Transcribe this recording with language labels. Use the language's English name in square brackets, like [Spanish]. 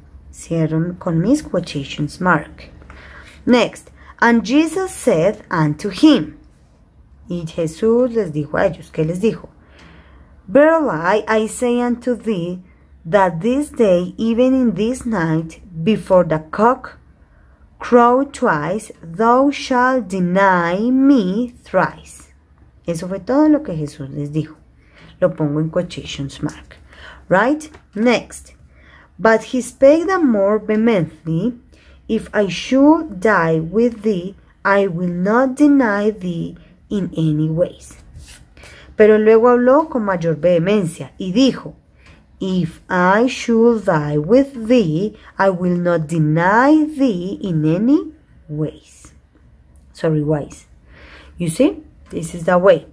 [Spanish] Cierro con mis quotations mark. Next, [English] and Jesus said unto him, [Spanish] y Jesús les dijo a ellos, ¿qué les dijo? [English] Verily I say unto thee, that this day, even in this night, before the cock crow twice, thou shalt deny me thrice. [Spanish] Eso fue todo lo que Jesús les dijo. Lo pongo en quotations mark. [English] Right? Next. But he spake the more vehemently, if I should die with thee, I will not deny thee in any ways. [Spanish] Pero luego habló con mayor vehemencia y dijo, [English] if I should die with thee, I will not deny thee in any ways. Sorry, ways. You see? This is the way.